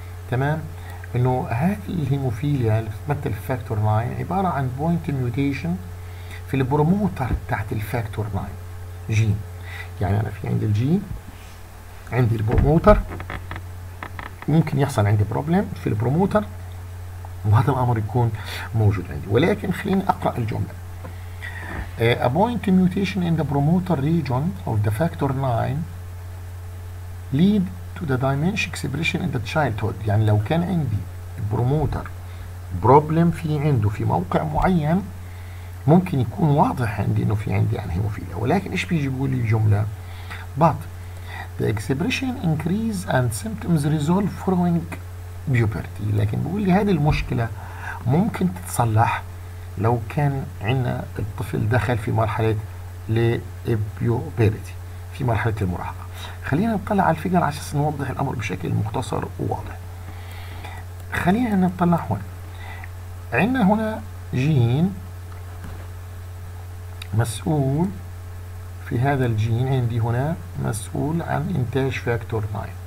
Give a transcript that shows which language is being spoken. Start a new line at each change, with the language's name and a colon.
Arabic: تمام، انه هذه الهيموفيليا اللي بتمثل الفاكتور 9 عباره عن بوينت ميوتيشن في البروموتر تحت الفاكتور 9 جين. يعني انا في عندي الجين، عندي البروموتر، ممكن يحصل عندي بروبلم في البروموتر وهذا الامر يكون موجود عندي. ولكن خليني اقرا الجمله.
English: A point mutation in the promoter region of the factor 9 lead to the dementia expression in the childhood.
Arabic: يعني لو كان عندي بروموتر بروبلم في عنده في موقع معين، ممكن يكون واضح عندي انه في عندي يعني هيموفيليا.
English: ولكن ايش بيجي بيقول لي الجمله؟ But the expression increase and symptoms resolve following puberty.
Arabic: لكن بيقول لي هذه المشكله ممكن تتصلح لو كان عندنا الطفل دخل في مرحلة البيوبيرتي، في مرحلة المراهقة. خلينا نطلع على الفيجر عشان نوضح الأمر بشكل مختصر وواضح. خلينا نطلع هون، عندنا هنا جين مسؤول، في هذا الجين عندي هنا مسؤول عن إنتاج فاكتور 9.